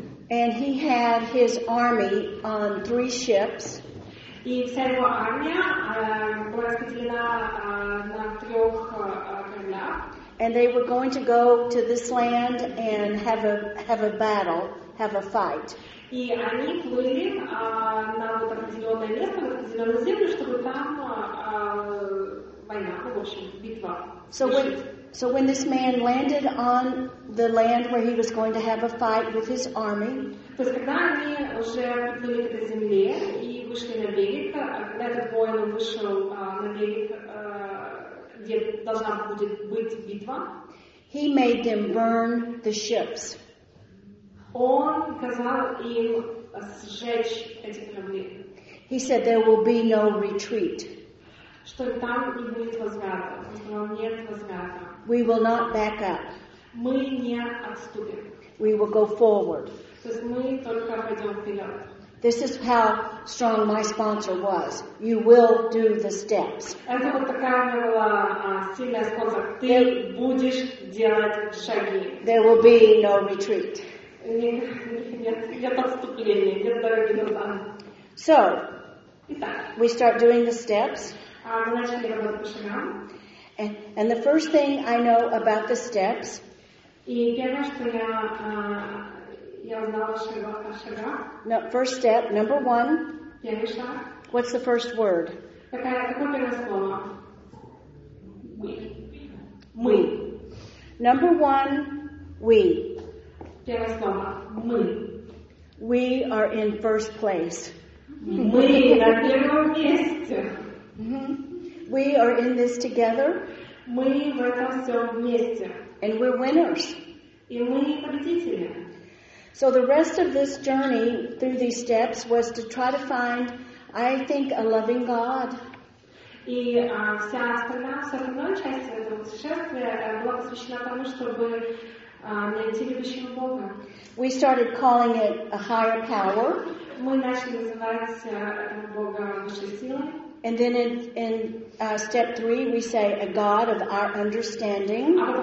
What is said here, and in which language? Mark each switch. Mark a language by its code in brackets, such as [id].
[en] And he had his army on three ships. And they were going to go to this land and have a battle, have a fight. [ru] И они плыли на вот определенное место, на определенную землю, чтобы там война, в общем, битва. [en] So when this man landed on the land where he was going to have a fight with his army. [ru] То есть когда они уже плыли по земле и вышли на берег, когда этот воин вышел на берег. Где должна будет быть битва. [en] He made them burn the ships. [ru] Он сказал им сжечь эти корабли. [en] He said there will be no retreat. [ru] Что там не будет возврата. Что нет возврата. [en] We will not back up. [ru] Мы не отступим. [en] We will go forward. [ru] То есть мы только пойдем вперед. [en] This is how strong my sponsor was. You will do the steps. [ru] Это вот такая была сильная спонсор. Ты будешь делать шаги. [en] There will be no retreat. [ru] Нет отступления, нет дороги назад. [en] So, [ru] итак, [en] we start doing the steps. [ru] Мы начали работать по шагам. [en] And the first thing I know about the steps. [ru] И первое, что я узнала шага. [en] No, first step, number one. [ru] Первый шаг. [en] What's the first word? [ru] Какое первое слово? [en] We. Number one, we. [ru] Первая слова. Мы. [en] We are in first place. [ru] Мы на первом месте. [en] We are in this together. [ru] Мы в этом все вместе. [en] And we're winners. [ru] И мы победители. [en] So the rest of this journey through these steps was to try to find, I think, a loving God. [ru] И вся остальная, вся остальная часть этого путешествия была посвящена тому, чтобы найти любящего Бога. [en] We started calling it a higher power. [ru] Мы начали называть этого Бога высшей силой. [en] And then in step three, we say a God of our understanding.